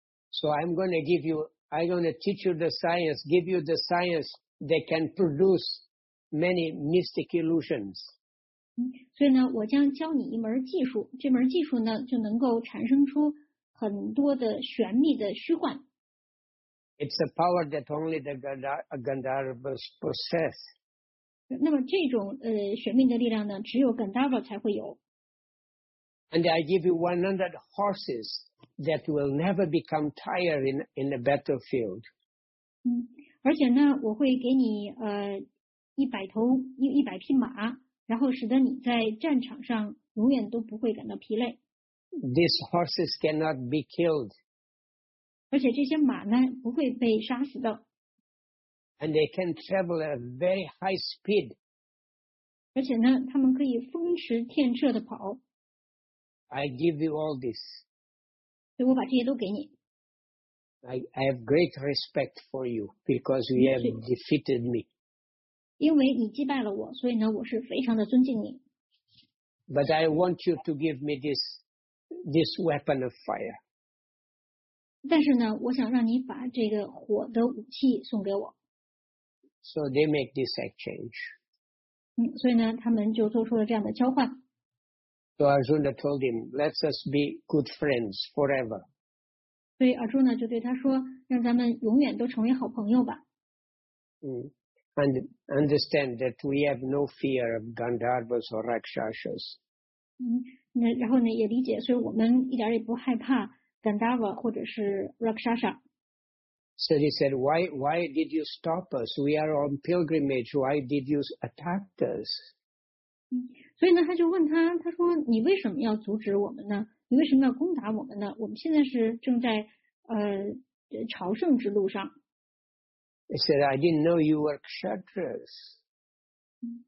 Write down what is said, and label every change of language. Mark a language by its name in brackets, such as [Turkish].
[English] So I'm going to teach you the science, give you the science that can produce many mystic illusions. [Chinese] 所以呢，我将教你一门技术，这门技术呢，就能够产生出很多的玄秘的虚幻。 [English] It's a power that only the Gandharvas possess. [Chinese] 那么这种玄秘的力量呢，只有 Gandharva 才会有。 [English] And I give you 100 horses that will never become tired in the battlefield. [Chinese] 而且呢，我会给你一百匹马，然后使得你在战场上永远都不会感到疲累。 [English] These horses cannot be killed. [Chinese] 而且这些马呢不会被杀死的。 [English] And they can travel at a very high speed. [Chinese] 而且呢他们可以风驰电掣的跑。 [English] I give you all this. [Chinese] 所以我把这些都给你。 [English] I have great respect for you because you have defeated me. [Chinese] 因为你击败了我，所以呢我是非常的尊敬你。 [English] But I want you to give me this weapon of fire. [Chinese] 但是呢，我想让你把这个火的武器送给我。 [English] So they make this exchange. [Chinese] 所以呢，他们就做出了这样的交换。 [English] So Arjuna told him, "Let us be good friends forever." [Chinese] 所以 Arjuna 就对他说，让咱们永远都成为好朋友吧。 [English] And understand that we have no fear of Gandharvas or Rakshasas. [Chinese] 然后呢，也理解，所以我们一点也不害怕。 Gandharva 或者是 Rakshasa. [English] So he said, why did you stop us? We are on pilgrimage. Why did you attack us? [Chinese] 所以呢，他就问他，他说，你为什么要阻止我们呢？你为什么要攻打我们呢？我们现在是正在朝圣之路上。 [English] He said, I didn't know you were Kshatriyas.